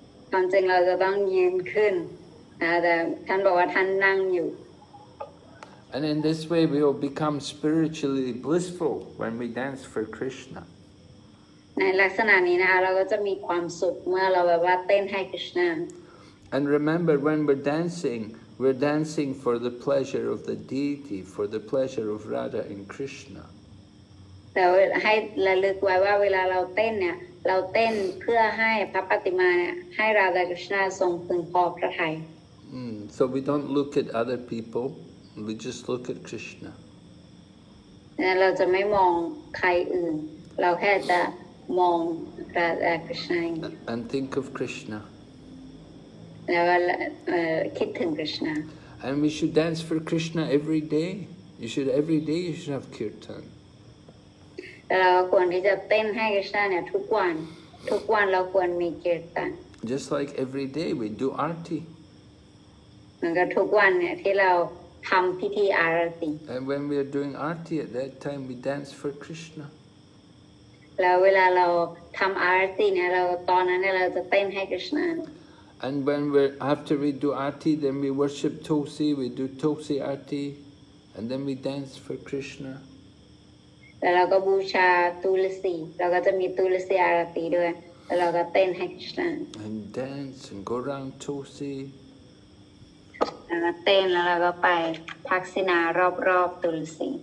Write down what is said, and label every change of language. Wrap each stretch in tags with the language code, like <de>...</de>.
<th>ความจริงเราจะต้องยืนขึ้นนะแต่ท่านบอกว่าท่านนั่งอยู่</th> <en>And in this way we will become spiritually blissful when we dance for Krishna</en> <th>ในลักษณะนี้นะคะเราก็จะมีความสุขเมื่อเราแบบว่าเต้นให้คริสต์นา</th> <en>And remember when we're dancing for the pleasure of the deity for the pleasure of Radha and Krishna</en> <th>แต่ให้ระลึกไว้ว่าเวลาเราเต้นเนี่ยเราเต้นเพื่อให้พระปฏิมาเนี่ยให้ราธาคริสต์นาทรงพึงพอพระทัย</th> <en>so we don't look at other people we just look at Krishna</en> <th>เราจะไม่มองใครอื่นเราแค่จะมองราธาคริสต์นา</th> <en>and think of Krishna</en> <th>แล้วคิดถึงคริสต์นา</th> <en>and we should dance for Krishna every day you should every day you should have kirtan</en> <th>เราควรที่จะเต้นให้คริสต์นาเนี่ยทุกวันทุกวันเราควรมีกิจการ</th> <en>just like every day we do arti</en> <th>มันก็ทุกวันเนี่ยที่เราทำพิธีอารติ</th> <en>and when we are doing arti at that time we dance for Krishna</en> <th>แล้วเวลาเราทำอารติเนี่ยเราตอนนั้นเนี่ยเราจะเต้นให้คริสต์นา</th> <en>and when we after we do arti then we worship tulsi we do tulsi arti and then we dance for Krishna.</en> <th>แล้วเราก็บูชาตุลสีเราก็จะมีตุลสีอารตีด้วยแล้วเราก็เต้นให้คริสต์นา</th> <en>and dance and go around to see</en> <th>แล้วเต้นแล้วเราก็ไปพักศีนารอบๆตุลสี</th>